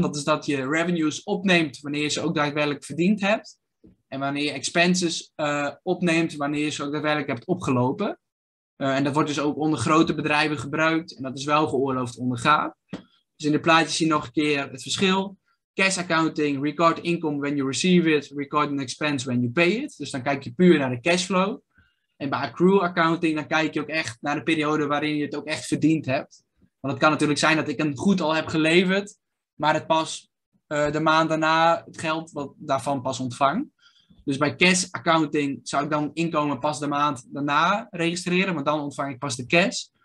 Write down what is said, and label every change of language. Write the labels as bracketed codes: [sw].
[nl] Dat is dat je revenues opneemt wanneer je ze ook daadwerkelijk verdiend hebt. En wanneer je expenses opneemt, wanneer je ze ook daadwerkelijk hebt opgelopen. En dat wordt dus ook onder grote bedrijven gebruikt. En dat is wel geoorloofd onder GAAP. Dus in de plaatje zie je nog een keer het verschil. [en] Cash accounting, record income when you receive it, record an expense when you pay it. [nl] Dus dan kijk je puur naar de cashflow. En bij accrual accounting, dan kijk je ook echt naar de periode waarin je het ook echt verdiend hebt. Want het kan natuurlijk zijn dat ik een goed al heb geleverd, maar het pas de maand daarna het geld wat daarvan pas ontvang. Dus bij cash accounting zou ik dan inkomen pas de maand daarna registreren, want dan ontvang ik pas de cash.